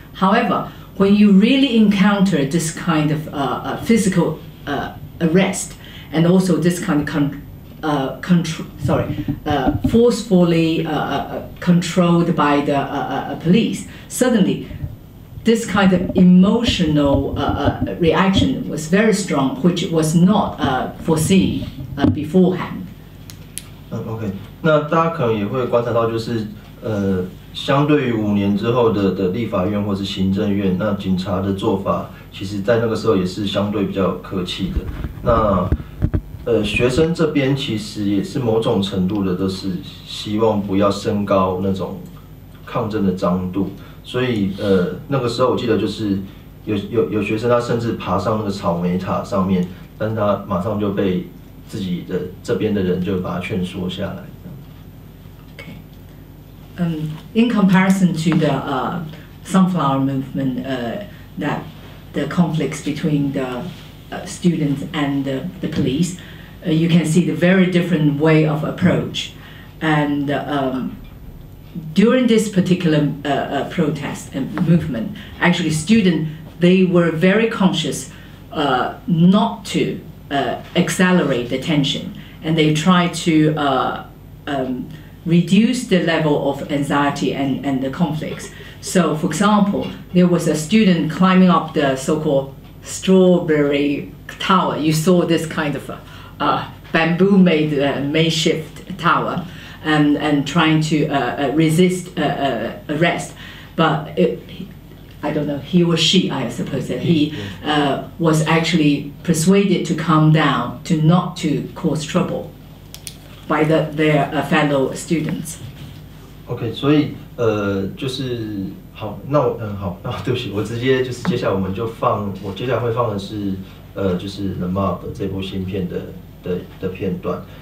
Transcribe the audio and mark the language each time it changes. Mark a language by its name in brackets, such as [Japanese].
[English] However, when you really encounter this kind of physical arrest and also this kind of forcefully controlled by the police, suddenly this kind of emotional reaction was very strong, which was not foreseen beforehand. [Chinese] Okay, 那大家可能也会观察到，就是相对于五年之后的立法院或是行政院，那警察的做法，其实在那个时候也是相对比较客气的。那学生这边其实也是某种程度的都是希望不要升高那种抗争的张度，所以那个时候我记得就是有学生他甚至爬上那个草莓塔上面，但他马上就被自己的这边的人就把他劝说下来。 [English] In comparison to the sunflower movement, that the conflicts between the students and the police, you can see the very different way of approach. And during this particular protest and movement, actually students, they were very conscious not to accelerate the tension, and they tried to reduce the level of anxiety and the conflicts. So for example, there was a student climbing up the so-called strawberry tower. You saw this kind of a bamboo made makeshift tower and trying to resist arrest. But I don't know, he or she, I suppose that he was actually persuaded to calm down, to not to cause trouble. By their fellow students. [Chinese] OK, 所以就是好，那我好，那对不起，我直接就是接下来我们就放，我接下来会放的是就是 The Mob 这部新片的片段。